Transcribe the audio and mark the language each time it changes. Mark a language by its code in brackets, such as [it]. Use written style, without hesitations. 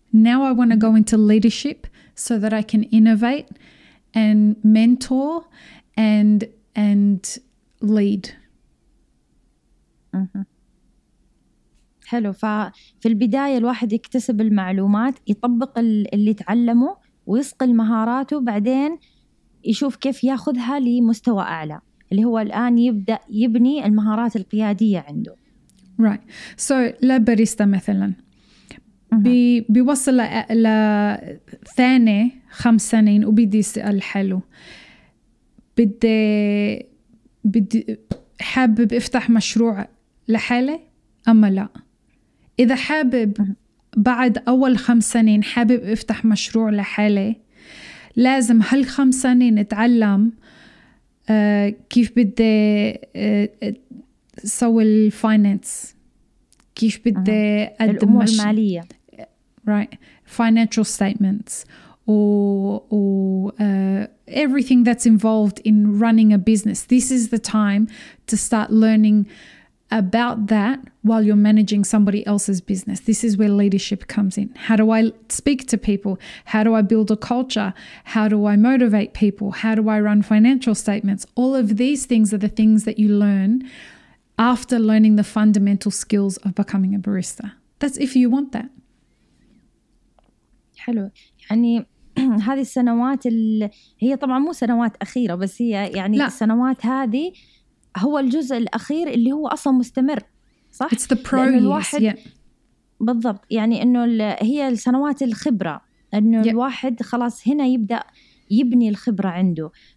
[en] Now I want to go into leadership so that I can innovate and mentor and lead. [ar] حلو. ففي البداية الواحد يكتسب المعلومات، يطبق اللي تعلمه ويصقل مهاراته، بعدين يشوف كيف ياخذها لمستوى أعلى، اللي هو الآن يبدأ يبني المهارات القيادية عنده. [en] Right. [ar] So لباريستا مثلاً بيوصل لثاني خمس سنين وبيدي يسأل حلو بدي حابب افتح مشروع لحالي أما لا؟ إذا حابب بعد أول خمس سنين حابب افتح مشروع لحالي، لازم هالخمس سنين اتعلم كيف بدي سوي الفاينانس، كيف بدي الأمور المالية، [en] right financial statements everything that's involved in running a business. This is the time to start learning about that while you're managing somebody else's business. This is where leadership comes in. How do I speak to people? How do I build a culture? How do I motivate people? How do I run financial statements? All of these things are the things that you learn after learning the fundamental skills of becoming a barista. That's if you want that. [ar] حلو. يعني هذه السنوات هي طبعا مو سنوات أخيرة، بس هي يعني لا. السنوات هذه هو الجزء الأخير اللي هو أصلا مستمر، صح؟ [en] It's the pro years. [ar] بالضبط. يعني إنه هي السنوات الخبرة، إنه الواحد خلاص هنا يبدأ يبني الخبرة عنده.